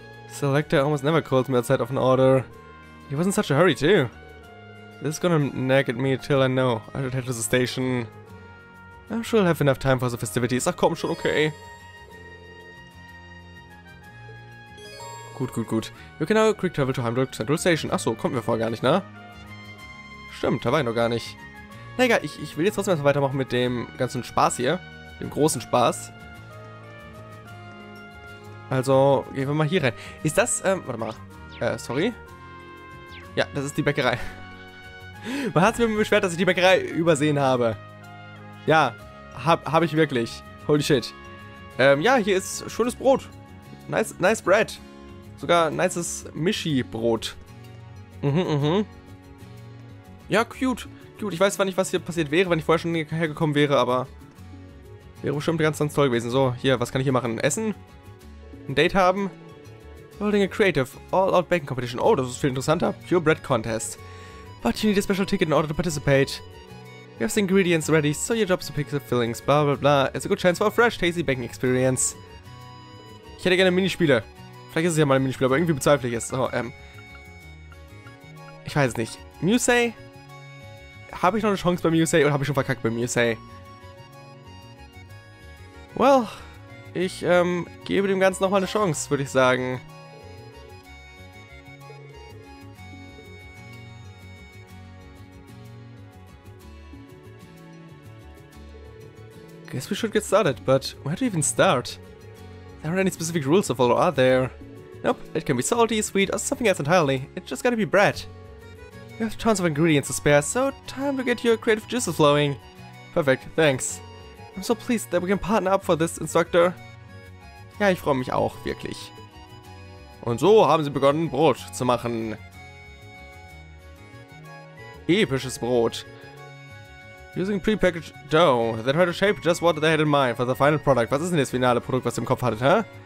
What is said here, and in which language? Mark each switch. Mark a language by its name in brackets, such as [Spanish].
[English] So, Lecter almost never calls me outside of an order. He was in such a hurry, too. This is gonna nag at me till I know. I should head to the station. I'm sure I'll have enough time for the festivities. [German] Ach komm schon, okay. Gut, gut, gut. [English] You can now quick travel to Heimdall Central Station. [German] Ach so, kommen wir vorher gar nicht, ne? Stimmt, da war ich noch gar nicht. Na egal, ich will jetzt trotzdem erstmal weitermachen mit dem ganzen Spaß hier. Dem großen Spaß. Also, gehen wir mal hier rein. Ist das, warte mal. Sorry. Ja, das ist die Bäckerei. Man hat es mir beschwert, dass ich die Bäckerei übersehen habe. Ja, hab ich wirklich. [English] Holy shit. [German] Ja, hier ist schönes Brot. [English] Nice bread. [German] Sogar nices Mischi-Brot. Ja, cute. Cute. Ich weiß zwar nicht, was hier passiert wäre, wenn ich vorher schon hergekommen wäre, aber... wäre bestimmt ganz, ganz toll gewesen. So, hier, was kann ich hier machen? Essen? Ein Date haben? [English] Holding a creative all-out baking competition. [German] Oh, das ist viel interessanter. [English] Pure bread contest. But you need a special ticket in order to participate. You have the ingredients ready, so your job is to pick the fillings, blah blah blah. It's a good chance for a fresh, tasty baking experience. [German] Ich hätte gerne Minispiele. Vielleicht ist es ja mal ein Minispiel, aber irgendwie bezweifle ich es. So, ich weiß es nicht. Musei? Habe ich noch eine Chance bei Musei oder habe ich schon verkackt bei Musei? Well, ich gebe dem Ganzen nochmal eine Chance, würde ich sagen. [English] Guess we should get started, but where do you even start? There aren't any specific rules to follow, are there? Nope, it can be salty, sweet, or something else entirely. It's just gotta be bread. You have tons of ingredients to spare, so time to get your creative juices flowing. Perfect, thanks. I'm so pleased that we can partner up for this, Instructor. [German] Ja, ich freue mich auch, wirklich. Und so haben sie begonnen, Brot zu machen. Episches Brot. [English] Using prepackaged dough, they tried to shape just what they had in mind for the final product. [German] Was ist denn das finale Produkt, was sie im Kopf hattet, hä?